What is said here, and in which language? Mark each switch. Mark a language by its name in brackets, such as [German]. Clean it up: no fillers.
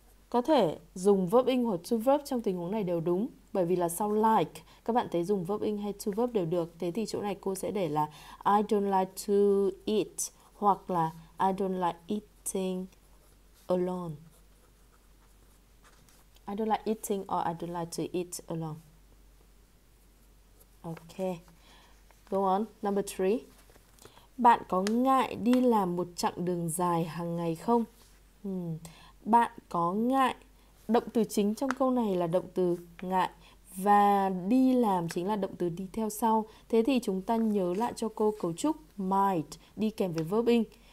[Vietnamese] Có thể dùng verb in hoặc to verb trong tình huống này đều đúng. Bởi vì là sau like, các bạn thấy dùng verb in hay to verb đều được. Thế thì chỗ này cô sẽ để là [English] I don't like to eat [Vietnamese] hoặc là [English] I don't like eating alone. I don't like eating or I don't like to eat alone. Ok. Go on, number 3. [Vietnamese] Bạn có ngại đi làm một chặng đường dài hàng ngày không? Bạn có ngại. Động từ chính trong câu này là động từ ngại. Và đi làm chính là động từ đi theo sau. Thế thì chúng ta nhớ lại cho cô cấu trúc might đi kèm với verb in.